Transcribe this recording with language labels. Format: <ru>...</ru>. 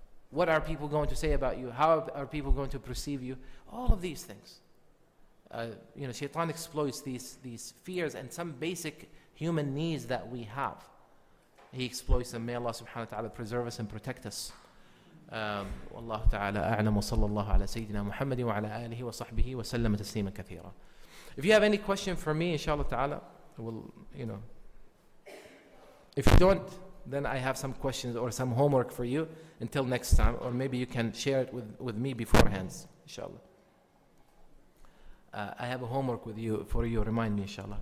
<en>What are people going to say about you? How are people going to perceive you? All of these things. You know, Shaitan exploits these fears and some basic human needs that we have. He exploits them. May Allah subhanahu wa ta'ala preserve us and protect us.</en> <ar>والله تعالى أعلم وصلى الله على سيدنا محمد وعلى آله وصحبه وسلم تسليما كثيرا.</ar> <en>If you have any question for me, inshallah ta'ala, we'll, you know. If you don't, then I have some questions or some homework for you until next time, or maybe you can share it with me beforehand, inshallah. I have a homework with you for you, remind me, inshallah.</en>